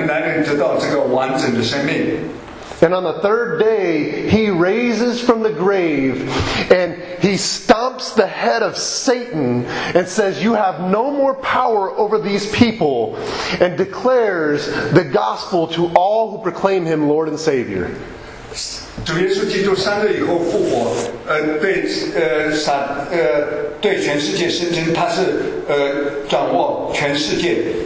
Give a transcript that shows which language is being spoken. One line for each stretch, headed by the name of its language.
Chinese: 只能通过主耶稣基督，我们才能得到这个完整的生命。
English: And on the third day, He raises from the grave and He stomps the head of Satan and says, you have no more power over these people, and declares the gospel to all who proclaim Him Lord and Savior.
Chinese: 主耶稣基督三日以后复活，对全世界升天，他是掌握全世界。